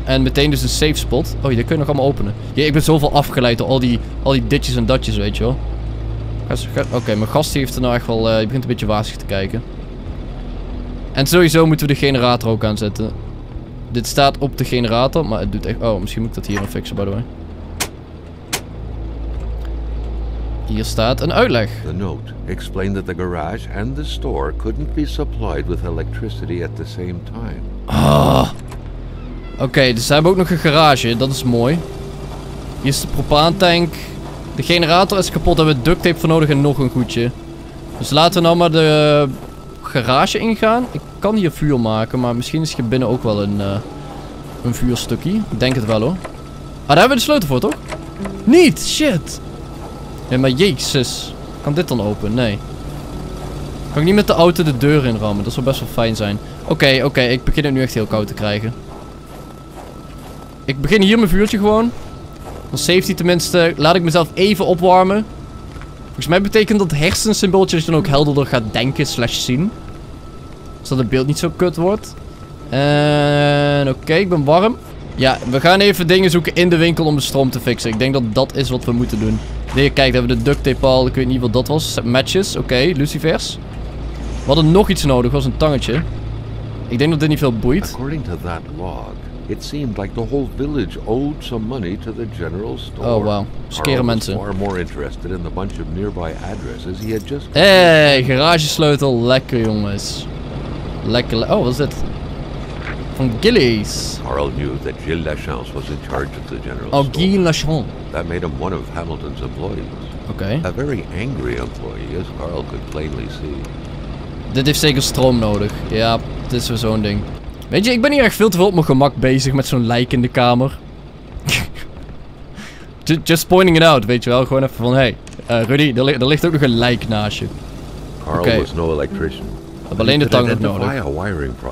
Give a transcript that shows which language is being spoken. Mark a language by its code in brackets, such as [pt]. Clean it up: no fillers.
[nl] En meteen dus een safe spot. Oh, die kun je nog allemaal openen. Ja, ik ben zoveel afgeleid door al die ditjes en datjes, weet je wel. Oké, mijn gast heeft er nou echt wel... Die begint een beetje wazig te kijken. En sowieso moeten we de generator ook aanzetten. Dit staat op de generator, maar het doet echt... Oh, misschien moet ik dat hier nog fixen, [en] by the way. [nl] Hier staat een uitleg. [en] The note explained that the garage and the store couldn't be supplied with electricity at the same time. [nl] Oké, dus ze hebben ook nog een garage, dat is mooi. Hier is de propaantank. De generator is kapot, daar hebben we duct tape voor nodig en nog een goedje. Dus laten we nou maar de garage ingaan. Ik kan hier vuur maken, maar misschien is hier binnen ook wel een vuurstukje. Ik denk het wel hoor. Ah, daar hebben we de sleutel voor toch? Niet! Shit! Ja, maar jezus. Kan dit dan open? Nee. Kan ik niet met de auto de deur inrammen? Dat zou best wel fijn zijn. Oké, ik begin het nu echt heel koud te krijgen. Ik begin hier mijn vuurtje gewoon. Dan safety tenminste. Laat ik mezelf even opwarmen. Volgens mij betekent dat hersensymbooltje dat je dan ook helderder gaat denken slash zien. Zodat het beeld niet zo kut wordt. En oké, ik ben warm. Ja, we gaan even dingen zoeken in de winkel om de stroom te fixen. Ik denk dat dat is wat we moeten doen. Hier, kijk, daar hebben we de duct tape al. Ik weet niet wat dat was. Matches, oké, lucifers. We hadden nog iets nodig, was een tangetje. Ik denk dat dit niet veel boeit. [en] According to that log, it seemed like the whole village owed some money to the general store. [nl] Oh wow, skere mensen. [en] Far more interested in the bunch of nearby addresses he had just. [nl] Hey, garagesleutel, lekker jongens. Lekker. Oh, wat is dit? Van Gillies. [en] Carl knew that Gilles Lachance was in charge of the general store. Oh, Gilles Lachance. That made him one of Hamilton's employees. Okay. A very angry employee, as Carl could plainly see. [nl] Dit heeft zeker stroom nodig. Ja, het is weer zo'n ding. Weet je, ik ben hier echt veel te veel op mijn gemak bezig met zo'n lijk in de kamer. [en] Just pointing it out, [nl] weet je wel. Gewoon even van, hey, Rudy, er ligt ook nog een lijk naast je. [en] Carl was no electrician. [nl] We hebben alleen de tang nog nodig.